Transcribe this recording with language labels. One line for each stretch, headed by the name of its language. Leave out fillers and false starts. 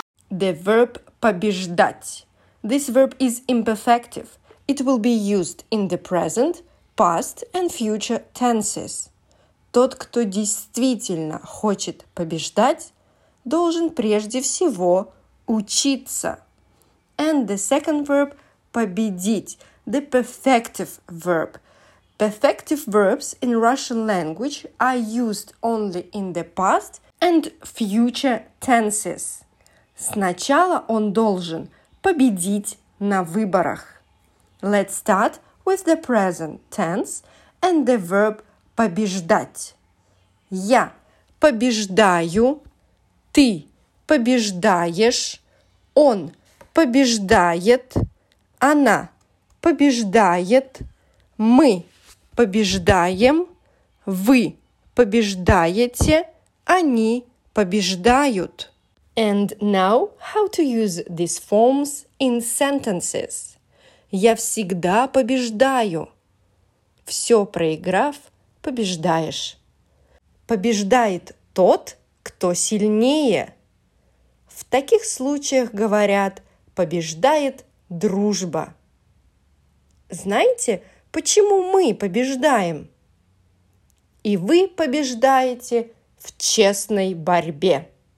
English: The verb побеждать. This verb is imperfective. It will be used in the present, past and future tenses.
Russian: Тот, кто действительно хочет побеждать, должен прежде всего учиться.
English: And the second verb победить, the perfective verb. Perfective verbs in Russian language are used only in the past and future tenses.
Russian: Сначала он должен победить на выборах.
English: Let's start with the present tense and the verb побеждать.
Russian: Я побеждаю, ты побеждаешь, он побеждает, она побеждает, мы побеждаем, вы побеждаете, они побеждают.
English: And now, how to use these forms in sentences.
Russian: Я всегда побеждаю. Все проиграв, побеждаешь. Побеждает тот, кто сильнее. В таких случаях говорят, побеждает дружба. Знаете, почему мы побеждаем? И вы побеждаете в честной борьбе.